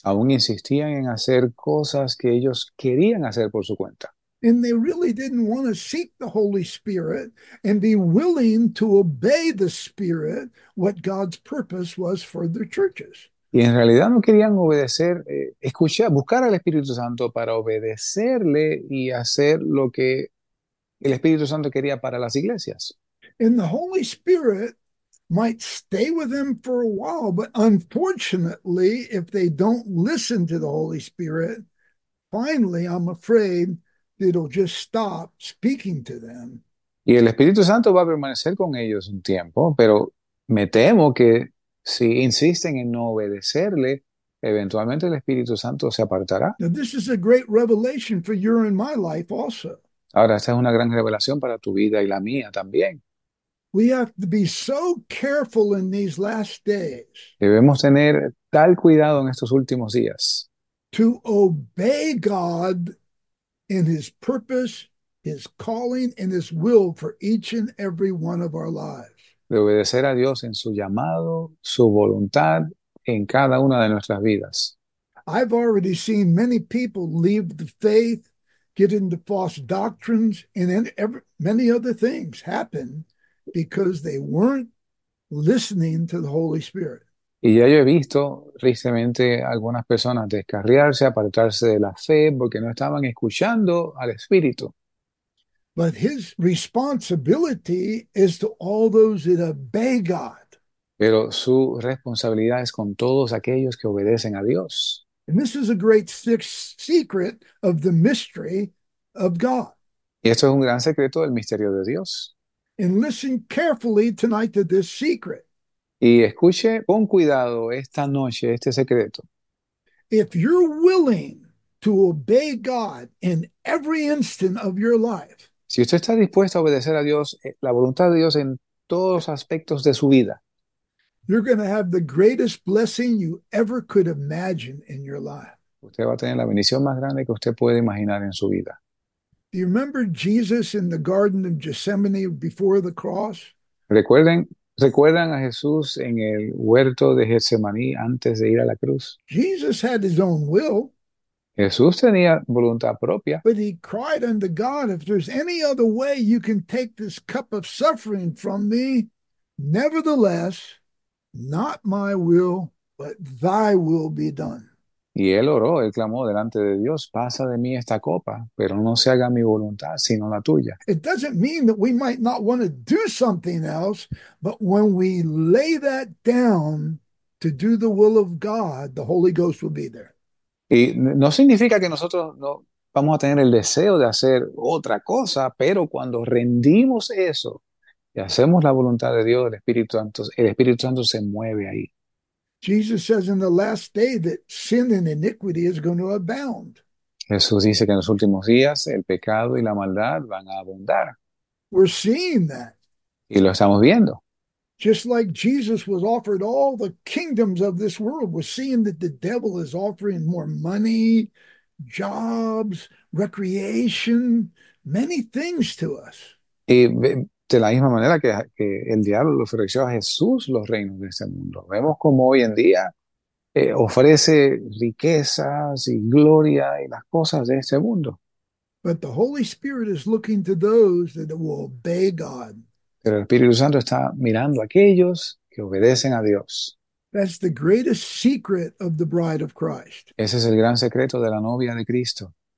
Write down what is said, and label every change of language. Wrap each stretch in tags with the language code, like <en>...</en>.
<es>Aún insistían en hacer cosas que ellos querían hacer por su cuenta.</es> <en>And they really didn't want to seek the Holy Spirit and be willing to obey the Spirit, what God's purpose was for their churches.</en> <es>Y en realidad no querían obedecer, escuchar, buscar al Espíritu Santo para obedecerle y hacer lo que el Espíritu Santo quería para las iglesias.</es> <en>And the Holy Spirit might stay with them for a while, but unfortunately, if they don't listen to the Holy Spirit, finally, I'm afraid it'll just stop speaking to them.</en> <es>Y el Espíritu Santo va a permanecer con ellos un tiempo, pero me temo que si insisten en no obedecerle, eventualmente el Espíritu Santo se apartará.</es> <en>Now, this is a great revelation for you and my life also.</en> <es>Ahora, esta es una gran revelación para tu vida y la mía también.</es> <en>We have to be so careful in these last days</en> <es>Debemos tener tal cuidado en estos últimos días.</es> <en>to obey God in his purpose, his calling, and his will for each and every one of our lives.</en> <es>De obedecer a Dios en su llamado, su voluntad en cada una de nuestras vidas.</es> <en>I've already seen many people leave the faith, get into false doctrines, and many other things happen because they weren't listening to the Holy Spirit.</en> <es>Y ya yo he visto tristemente algunas personas descarriarse, apartarse de la fe porque no estaban escuchando al Espíritu.</es> <en>But his responsibility is to all those that obey God.</en> <es>Pero su responsabilidad es con todos aquellos que obedecen a Dios.</es> <en>And this is a great secret of the mystery of God.</en> <es>Y esto es un gran secreto del misterio de Dios.</es> <en>And listen carefully tonight to this secret.</en> <es>Y escuche con cuidado esta noche este secreto.</es> <en>If you're willing to obey God in every instant of your life,</en> <es>Si usted está dispuesto a obedecer a Dios, la voluntad de Dios en todos los aspectos de su vida.</es> <en>you're going to have the greatest blessing you ever could imagine in your life.</en> <es>Usted va a tener la bendición más grande que usted puede imaginar en su vida.</es> <en>Do you remember Jesus in the Garden of Gethsemane before the cross?</en> <es>¿Recuerdan a Jesús en el huerto de Getsemaní antes de ir a la cruz?</es> <en>Jesus had his own will,</en> <es>Jesús tenía voluntad propia.</es> <en>but he cried unto God, if there's any other way you can take this cup of suffering from me, Nevertheless, not my will, but thy will be done.</en> <es>Y él oró, él clamó delante de Dios, pasa de mí esta copa, pero no se haga mi voluntad, sino la tuya.</es> <en>It doesn't mean that we might not want to do something else, but when we lay that down to do the will of God, the Holy Ghost will be there.</en> <es>Y no significa que nosotros no vamos a tener el deseo de hacer otra cosa, pero cuando rendimos eso y hacemos la voluntad de Dios, el Espíritu Santo se mueve ahí.</es> <en>Jesus says in the last day that sin and iniquity is going to abound.</en> <es>Jesús dice que en los últimos días el pecado y la maldad van a abundar.</es> <en>We're seeing that.</en> <es>Y lo estamos viendo.</es> <en>Just like Jesus was offered all the kingdoms of this world, we're seeing that the devil is offering more money, jobs, recreation, many things to us.</en> <es>Y de la misma manera que el diablo le ofreció a Jesús los reinos de este mundo, vemos como hoy en día ofrece riquezas y gloria y las cosas de este mundo.</es> <en>But the Holy Spirit is looking to those that will obey God.</en> <es>Pero el Espíritu Santo está mirando a aquellos que obedecen a Dios.</es> <en>That's the greatest secret of the bride of Christ.</en> <es>Ese es el gran secreto de la novia de Cristo.</es>